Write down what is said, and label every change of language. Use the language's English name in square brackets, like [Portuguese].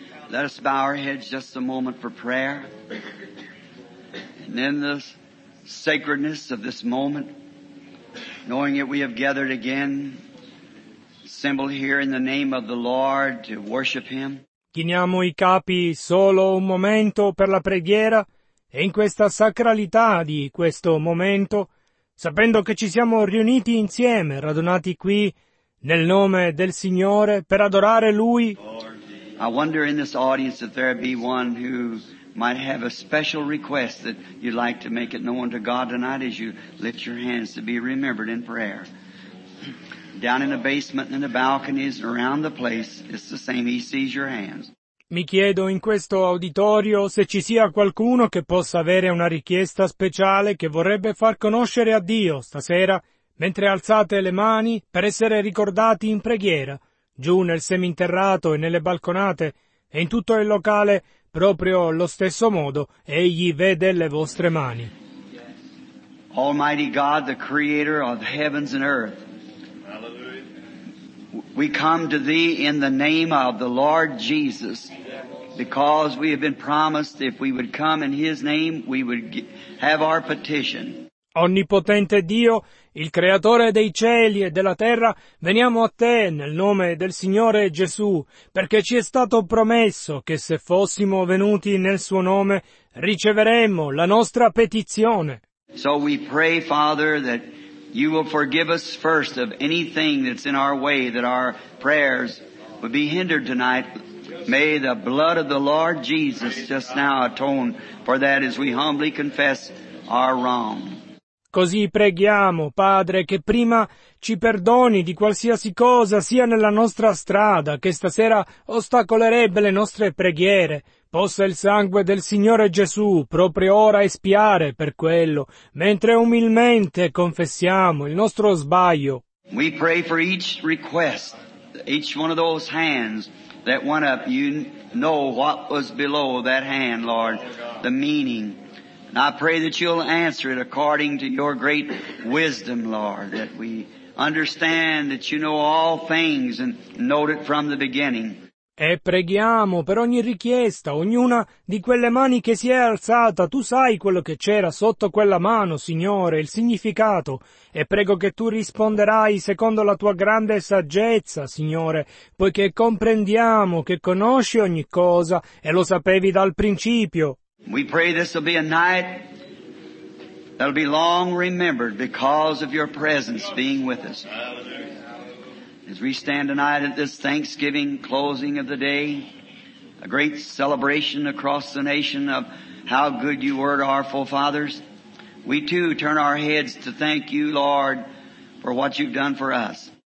[English] Let us bow our heads just a moment for prayer. And in the sacredness of this moment, knowing that we have gathered again, assembled here in the name of the Lord to worship Him. [Italian] Chiniamo i capi solo un momento per la preghiera e in questa sacralità di questo momento, sapendo che ci siamo riuniti insieme, radunati qui nel nome del Signore per adorare Lui. [English] I wonder in this audience if there be one who might have a special request that you'd like to make it known to God tonight as you lift your hands to be remembered in prayer. Down in the basement, in the balconies, around the place, it's the same. He sees your hands. [Italian] Mi chiedo in questo auditorio se ci sia qualcuno che possa avere una richiesta speciale che vorrebbe far conoscere a Dio stasera, mentre alzate le mani per essere ricordati in preghiera. Giù nel seminterrato e nelle balconate e in tutto il locale, proprio allo stesso modo, egli vede le vostre mani. [English] Almighty God, the creator of heavens and earth. We come to thee in the name of the Lord Jesus, because we have been promised if we would come in his name, we would have our petition. [Italian] Onnipotente Dio, il Creatore dei cieli e della terra, veniamo a Te nel nome del Signore Gesù, perché ci è stato promesso che se fossimo venuti nel Suo nome, riceveremmo la nostra petizione. [English] So we pray, Father, that You will forgive us first of anything that's in our way, that our prayers would be hindered tonight. May the blood of the Lord Jesus just now atone for that as we humbly confess our wrong. [Italian] Così preghiamo, Padre, che prima ci perdoni di qualsiasi cosa sia nella nostra strada che stasera ostacolerebbe le nostre preghiere. Possa il sangue del Signore Gesù proprio ora espiare per quello, mentre umilmente confessiamo il nostro sbaglio. [English] We pray for each request, each one of those hands that went up. You know what was below that hand, Lord, the meaning. And I pray that You'll answer it according to Your great wisdom, Lord, that we understand that You know all things and know it from the beginning. [Italian] E preghiamo per ogni richiesta, ognuna di quelle mani che si è alzata. Tu sai quello che c'era sotto quella mano, Signore, il significato. E prego che Tu risponderai secondo la Tua grande saggezza, Signore, poiché comprendiamo che conosci ogni cosa e lo sapevi dal principio. [English] We pray this will be a night that'll be long remembered because of Your presence being with us. As we stand tonight at this Thanksgiving closing of the day, a great celebration across the nation of how good You were to our forefathers, we too turn our heads to thank You, Lord, for what You've done for us.